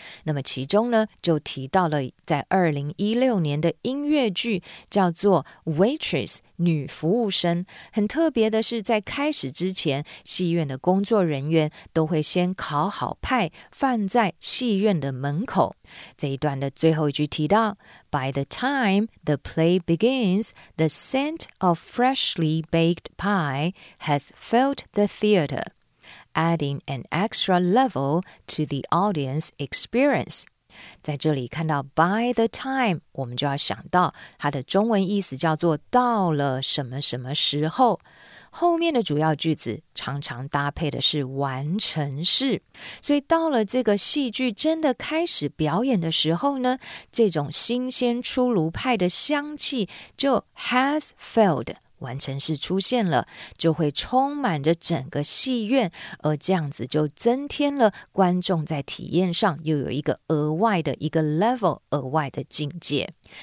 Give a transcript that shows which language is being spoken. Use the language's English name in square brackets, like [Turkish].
[Chinese] 那么其中呢就提到了在2016年的音乐剧叫做 Waitress 女服务生，很特别的是在开始之前戏院的工作人员都会先烤好派放在戏院的门口。这一段的最后一句提到 [English] By the time the play begins, the scent of freshly baked pie has filled the theater, adding an extra level to the audience experience. [Chinese] 在这里看到 [English] by the time [Chinese] 我们就要想到它的中文意思叫做到了什么什么时候，后面的主要句子常常搭配的是完成式，所以到了这个戏剧真的开始表演的时候呢，这种新鲜出炉派的香气就 [English] has filled [Chinese] 完成式出现了，就会充满着整个戏院，而这样子就增添了观众在体验上又有一个额外的一个 level， 额外的境界。